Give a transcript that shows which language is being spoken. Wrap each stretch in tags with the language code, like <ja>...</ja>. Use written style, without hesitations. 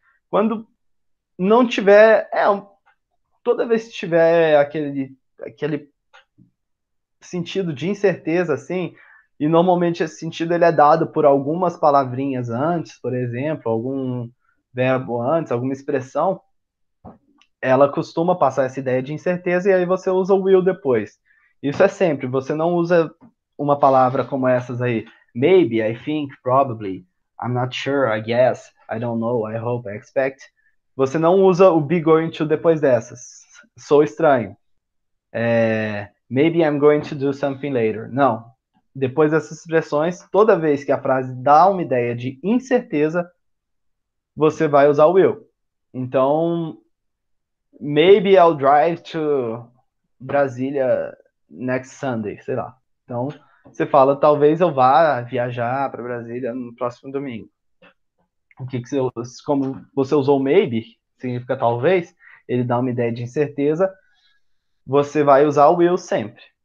<pt>Quando não tiver, toda vez que tiver aquele sentido de incerteza assim, e normalmente esse sentido ele é dado por algumas palavrinhas antes, por exemplo, algum verbo antes, alguma expressão, ela costuma passar essa ideia de incerteza e aí você usa o will depois. Isso é sempre, você não usa uma palavra como essas aí,</pt> <en>maybe, I think, probably, I'm not sure, I guess, I don't know, I hope, I expect.</en> <pt>Você não usa o be going to depois dessas. Sou estranho.</pt> <en>Maybe I'm going to do something later.</en> <pt>Não. Depois dessas expressões, toda vez que a frase dá uma ideia de incerteza, você vai usar o will.</pt> <en>Então, maybe I'll drive to Brasília next Sunday,</en> <pt>sei lá. Então, você fala, talvez eu vá viajar para Brasília no próximo domingo. Como você usou maybe, significa talvez, ele dá uma ideia de incerteza, você vai usar o will sempre.</pt>